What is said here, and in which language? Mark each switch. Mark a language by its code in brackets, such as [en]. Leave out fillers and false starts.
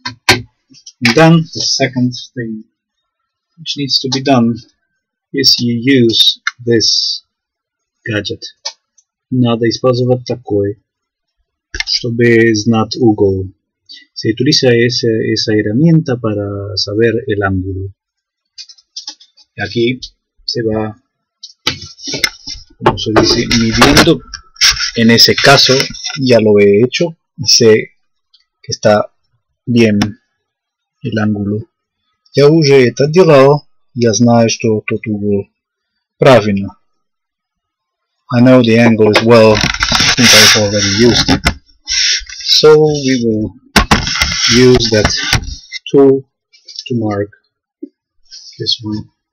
[en] And then the second thing which needs to be done is you use this gadget, [ru] надо использовать такой, чтобы знать угол. [es] Se utiliza esa herramienta para saber el ángulo. Y aquí se va, como se dice, midiendo. En ese caso ya lo he hecho y sé que está bien el ángulo. [ru] Ya уже это делал, я знаю, что тот угол правильно. [en] I know the angle as well, since I've already used it. So we will use that tool to mark this one.